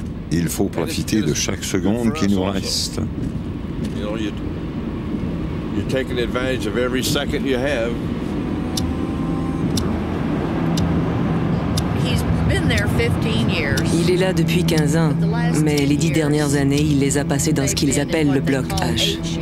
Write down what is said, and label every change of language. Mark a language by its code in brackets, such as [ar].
[fr] Il faut profiter de chaque seconde qui nous reste. [en] You're taking advantage of every second you have. He's [fr] Il est là depuis 15 ans, mais les 10 dernières années, il les a passées dans ce qu'ils appellent le bloc H.